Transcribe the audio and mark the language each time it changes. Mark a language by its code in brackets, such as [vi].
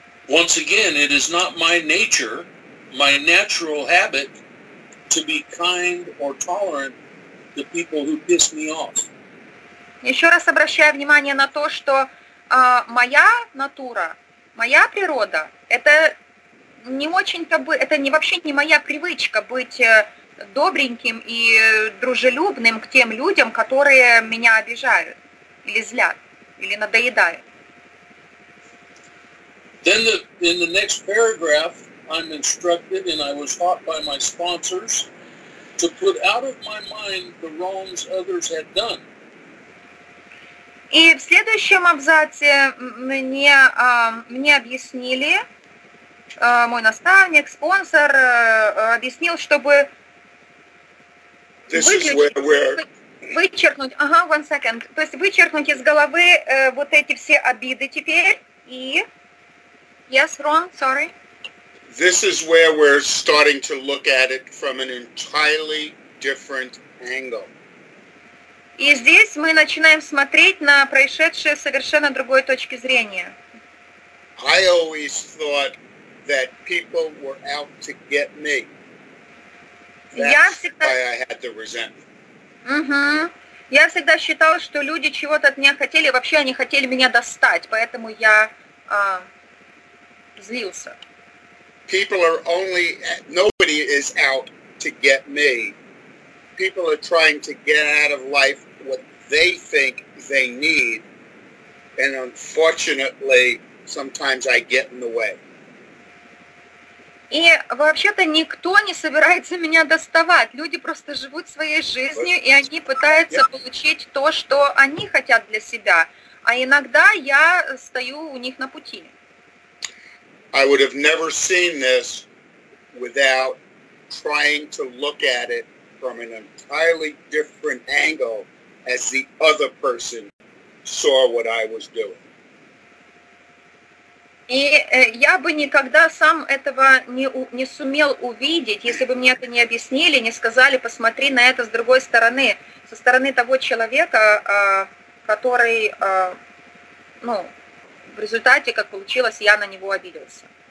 [en] Once again, it is not my nature, my natural habit, to be kind or tolerant to people who piss me off. [ru] Еще раз обращаю внимание на то, что моя натура, моя природа, это не очень-то бы, это не вообще не моя привычка быть добреньким и дружелюбным к тем людям, которые меня обижают. Или злят, или надоедают. [en] Then in the next paragraph, I'm instructed, and I was taught by my sponsors, to put out of my mind the wrongs others had done. [ru] И в следующем абзаце мне объяснили, мой наставник, спонсор, объяснил, чтобы вычеркнуть, [en] one second, [ru] то есть вычеркнуть из головы вот эти все обиды теперь и... [en] Yes, wrong, sorry. This is where we're starting to look at it from an entirely different angle. [ru] И здесь мы начинаем смотреть на происшедшее с совершенно другой точки зрения. [en] I always thought that people were out to get me. That's why I had the resentment. [ru] Я всегда считал, что люди чего-то от меня хотели, вообще они хотели меня достать, поэтому я злился. [en] People are only, nobody is out to get me. People are trying to get out of life what they think they need, and unfortunately, sometimes I get in the way. [ru] И вообще-то никто не собирается меня доставать. Люди просто живут своей жизнью, и они пытаются получить то, что они хотят для себя. А иногда я стою у них на пути. [en] I would have never seen this without trying to look at it from an entirely different angle as the other person saw what I was doing. [ru] И я бы никогда сам этого не сумел увидеть, если бы мне это не объяснили, не сказали, посмотри на это с другой стороны, со стороны того человека, который, ну, в результате, как получилось, я на него обиделся.